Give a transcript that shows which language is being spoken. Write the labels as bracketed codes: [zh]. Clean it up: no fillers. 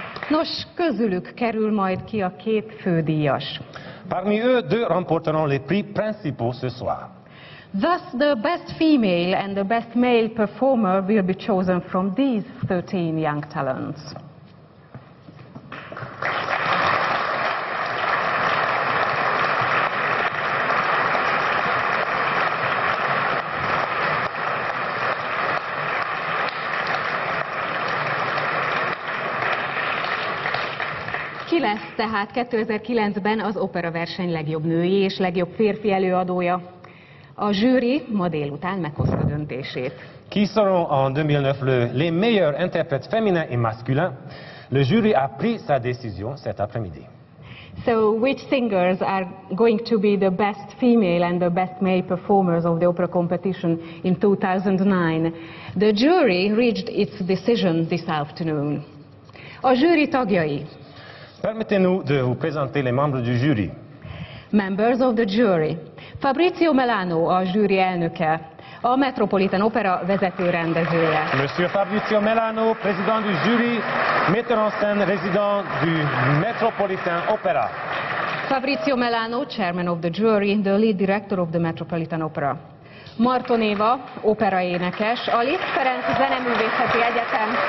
[hu] Nos, közülük kerül majd ki a két fődíjas. [fr] Parmi eux, deux remporteront les prix principaux ce soir. [en] Thus, the best female and the best male performer will be chosen from these 13 young talents. [hu] Lesz tehát 2009-ben az opera verseny legjobb női és legjobb férfi előadója. A zsűri ma délután meghozta döntését. [fr] Qui seront en 2009 les meilleurs interprètes féminins et masculins? Le jury a pris sa décision cet après-midi. [en] So which singers are going to be the best female and the best male performers of the opera competition in 2009? The jury reached its decision this afternoon. [hu] A zsűri tagjai. [fr] Permettez-nous de vous présenter les membres du jury. [en] Members of the jury. [hu] Fabrizio Melano, a jury elnöke, a Metropolitan Opera vezető rendezője. [fr] Monsieur Fabrizio Melano, président du jury, metteur en scène résident du Metropolitan Opera. [en] Fabrizio Melano, chairman of the jury, the lead director of the Metropolitan Opera. [hu] Marton Éva, opera énekes, a Liszt Ferenc Zeneművészeti Egyetem